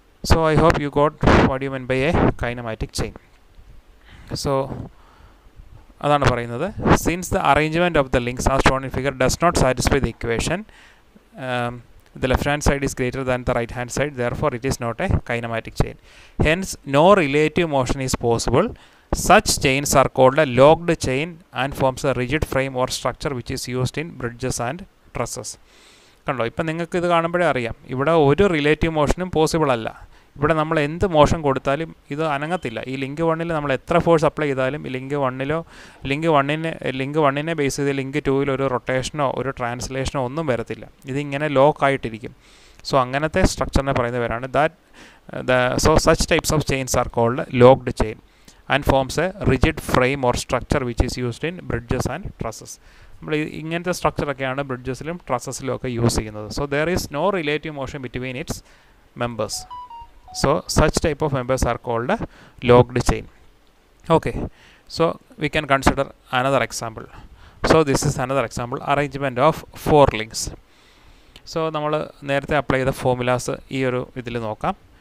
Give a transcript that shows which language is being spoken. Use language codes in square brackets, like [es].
[en] So I hope you got what you mean by a kinematic chain. [ml] So അതാണ് പറയുന്നത്, [en] Since the arrangement of the links are shown in figure does not satisfy the equation the left hand side is greater than the right hand side, therefore it is not a kinematic chain. Hence no relative motion is possible. Such chains are called a locked chain and forms a rigid frame or structure which is used in bridges and trusses. [ml] കണ്ടോ, ഇപ്പം നിങ്ങൾക്ക് ഇത് കാണുമ്പോഴേ അറിയാം ഇവിടെ ഒരു relative മോഷനും possible അല്ല. ഇവിടെ നമ്മൾ എന്ത് മോഷൻ കൊടുത്താലും ഇത് അനങ്ങത്തില്ല. ഈ ലിങ്ക് വണ്ണിൽ നമ്മൾ എത്ര ഫോഴ്സ് അപ്ലൈ ചെയ്താലും ലിങ്ക് വണ്ണിലോ ലിങ്ക് വണ്ണിനെ ലിങ്ക് വണ്ണിനെ ബേസ് ചെയ്ത് ലിങ്ക് ടുവിൽ ഒരു റൊട്ടേഷനോ ഒരു ട്രാൻസ്ലേഷനോ ഒന്നും വരത്തില്ല. ഇതിങ്ങനെ ലോക്ക് ആയിട്ടിരിക്കും. സോ അങ്ങനത്തെ സ്ട്രക്ചറിനെ പറയുന്നവരാണ് [en] That so such types of chains are called locked chain and forms a rigid frame or structure which is used in bridges and trusses. [ml] നമ്മൾ ഇങ്ങനത്തെ സ്ട്രക്ചറൊക്കെയാണ് ബ്രിഡ്ജസിലും ട്രസ്സസിലും ഒക്കെ യൂസ് ചെയ്യുന്നത്. [en] So there is no relative motion between its members. So such type of members are called locked chain. Okay, so we can consider another example. So this is another example, arrangement of four links. So [ml] nammal nerthe apply the formulas ee oru idile nokkam.